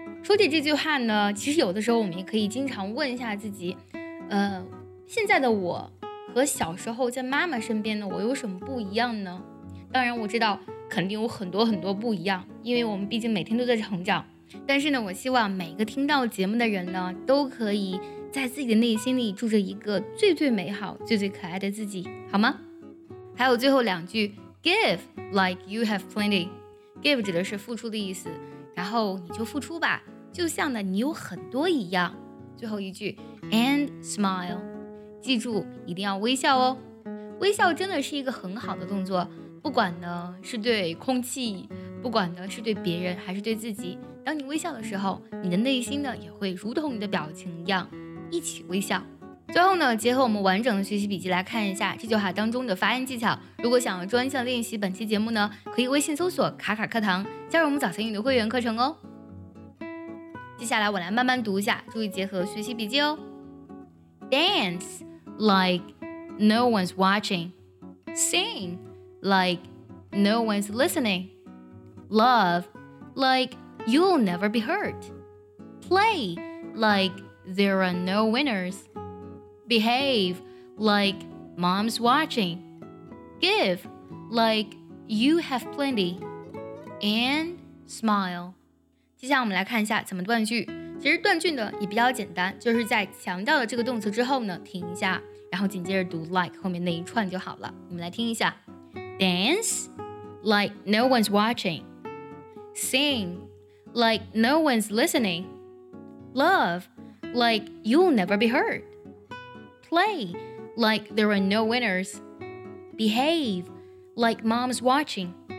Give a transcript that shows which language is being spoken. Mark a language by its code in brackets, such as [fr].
[zh] 说起这句话呢，其实有的时候我们也可以经常问一下自己，现在的我和小时候在妈妈身边呢，我有什么不一样呢？当然我知道肯定有很多很多不一样，因为我们毕竟每天都在成长。但是呢，我希望每个听到节目的人呢，都可以在自己的内心里住着一个最最美好最最可爱的自己，好吗？还有最后两句， [en] Give like you have plenty. [zh] Give 指的是付出的意思，然后你就付出吧，就像呢你有很多一样。最后一句， [en] And smile， [zh] 记住一定要微笑哦。微笑真的是一个很好的动作，不管呢是对空气，不管呢是对别人还是对自己，当你微笑的时候，你的内心呢也会如同你的表情一样一起微笑。最后呢，结合我们完整的学习笔记来看一下这句话当中的发音技巧。如果想要专项练习本期节目呢，可以微信搜索卡卡课堂，加入我们早餐英语会员课程哦。接下来我来慢慢读一下，注意结合学习笔记哦。 [en] Dance like no one's watching. Sing like no one's listening. Love like you'll never be hurt. Play like there are no winners. Behave like mom's watching. Give like you have plenty. And smile. [zh] 接下来我们来看一下怎么断句。其实断句呢也比较简单，就是在强调了这个动词之后呢停一下，然后紧接着读 like 后面那一串就好了。我们来听一下。 [en] Dance like no one's watching. Sing like no one's listening. Love like you'll never be hurt. Play like there are no winners. Behave like mom's watching.